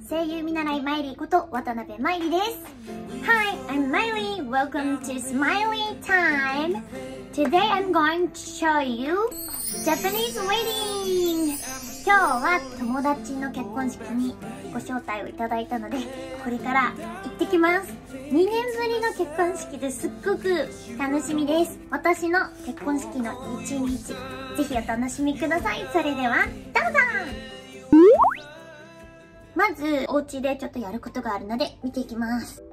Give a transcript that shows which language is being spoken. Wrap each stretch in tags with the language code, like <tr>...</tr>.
<ja>声優見習いマイリーこと渡邉まいりです。</ja> <en>Hi, I'm Miley. Welcome to Smiley Time. Today I'm going to show you Japanese Wedding.</en> <ja>今日は友達の結婚式にご招待をいただいたので、これから行ってきます。 2年ぶりの結婚式ですっごく楽しみです。私の結婚式の一日、ぜひお楽しみください。それでは、どうぞ。まず、お家でちょっとやることがあるので、見ていきます。</ja>